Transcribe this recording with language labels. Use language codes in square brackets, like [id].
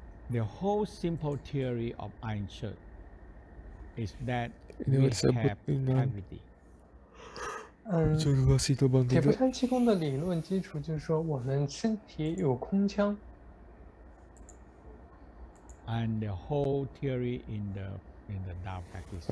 [en] The whole simple theory of Ainshi is that we have cavity. [zh] 铁布衫气功的理论基础就是说，我们身体有空腔。 [en] And the whole theory in the Tao practice.